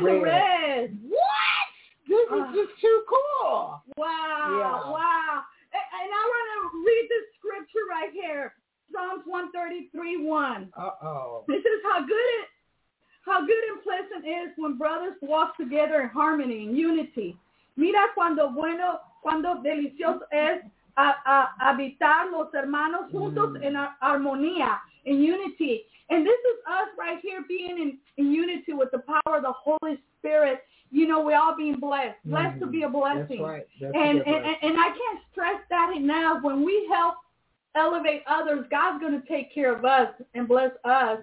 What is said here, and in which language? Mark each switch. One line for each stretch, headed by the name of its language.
English: red. What? This is just too cool. Wow. And I want to read this scripture right here. Psalms 133:1. Uh-oh. This is how good and pleasant it is when brothers walk together in harmony and unity.
Spanish: Mira cuando bueno, cuando delicioso es habitar los hermanos juntos en armonía,
English: in unity. And this is us right here being in unity with the power of the Holy Spirit. You know, we all being blessed. Blessed to be a blessing. That's right. That's and I can't stress that enough. When we help elevate others, God's going to take care of us and bless us.